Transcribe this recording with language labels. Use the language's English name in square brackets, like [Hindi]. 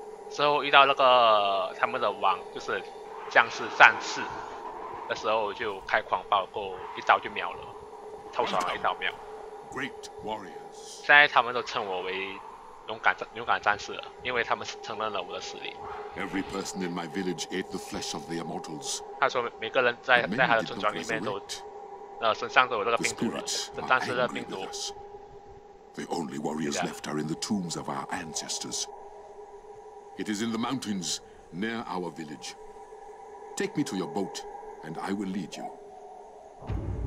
[Chinese] 之后遇到那个他们的王，就是僵尸战士，那时候就开狂暴，过一刀就秒了，超爽了，一刀秒。 [English] Great warriors。 [Chinese] 现在他们都称我为勇敢战士了，因为他们承认了我的实力。 [English] Every person in my village ate the flesh of the immortals。 [Chinese] 他说每个人在他的村庄里面都。身上都有这个病毒了，这战士的病毒。 [English] The only warriors left are in the tombs of our ancestors. It is in the mountains near our village. Take me to your boat, and I will lead you.